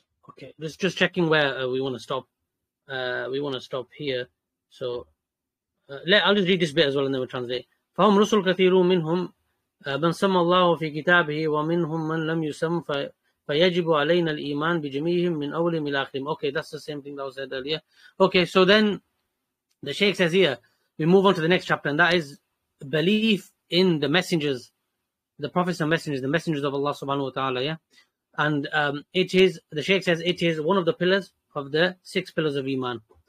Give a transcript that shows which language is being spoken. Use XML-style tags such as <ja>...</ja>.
<en>Okay, this just checking where we want to stop. We want to stop here. So I'll just read this bit as well, and then we'll translate.</en> <ar>فهم رسل كثيرون منهم من سمى الله في كتابه ومنهم من لم يسم فيجب علينا الإيمان بجميعهم من أولهم إلى آخرهم.</ar> <en>Okay, that's the same thing that was said earlier. Okay, so then the Shaykh says here, we move on to the next chapter, and that is belief in the messengers, the prophets and messengers, the messengers of Allah subhanahu wa ta'ala, yeah? And it is, the Shaykh says, it is one of the pillars of the six pillars of Iman.</en>